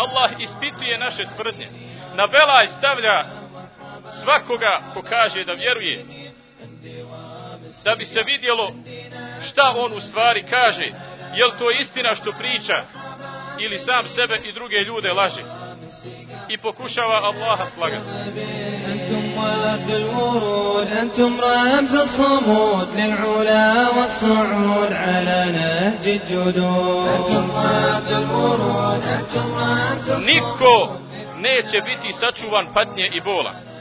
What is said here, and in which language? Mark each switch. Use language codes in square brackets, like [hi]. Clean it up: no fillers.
[sr] Аллах испитује наше тврдње. На бела ставља свакога ко каже да вјерује, да би се видјело шта он у ствари каже, је ли то истина што прича или сам себе и друге људе лаже. И покушава Аллаха слагати. [ar] وارد الورود أنتم رمز الصمود للعلا والصعود على نهج الجدود أنتم وارد الورود أنتم رمز الصمود [sr] نيكو neće biti sačuvan patnje i bola.